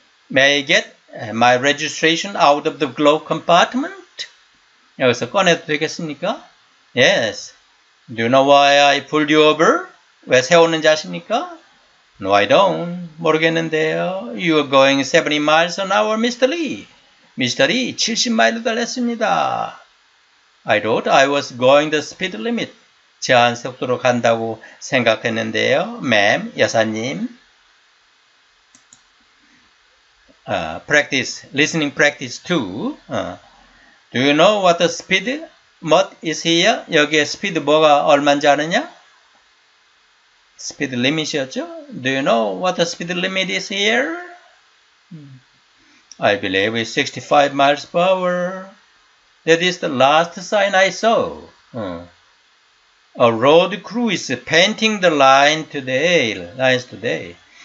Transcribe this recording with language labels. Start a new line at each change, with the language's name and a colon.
English: May I get my registration out of the glove compartment?
Korean: 여기서 꺼내도 되겠습니까?
English: Yes. Do you know why I pulled you over?
Korean: 왜 세웠는지 아십니까?
English: No, I don't.
Korean: 모르겠는데요.
English: You are going 70 miles an hour, Mr. Lee. Mr.
Korean: Lee, 70마일을 달렸습니다.
English: I thought I was going the speed limit.
Korean: 제한속도로 간다고 생각했는데요. Ma'am, 여사님.
English: Practice, listening practice 2. Do you know what the speed limit is here?
Korean: 여기에 스피드 뭐가 얼마인지 아느냐? Speed limit이었죠?
English: Do you know what the speed limit is here? I believe it's 65 miles per hour. That is the last sign I saw. A road crew is painting the lines today.